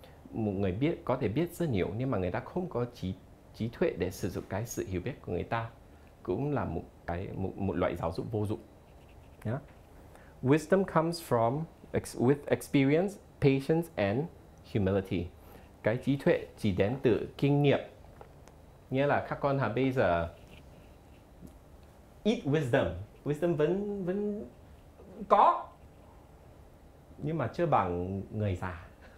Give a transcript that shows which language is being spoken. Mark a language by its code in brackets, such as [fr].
[vi] Một người biết có thể biết rất nhiều nhưng mà người ta không có trí tuệ để sử dụng cái sự hiểu biết của người ta cũng là một loại giáo dục vô dụng. Yeah. [en] Wisdom comes from with experience, patience and humility. [vi] Cái trí tuệ chỉ đến từ kinh nghiệm. Nghĩa là các con bây giờ ít wisdom. Wisdom vẫn có. Nhưng mà chưa bằng người già.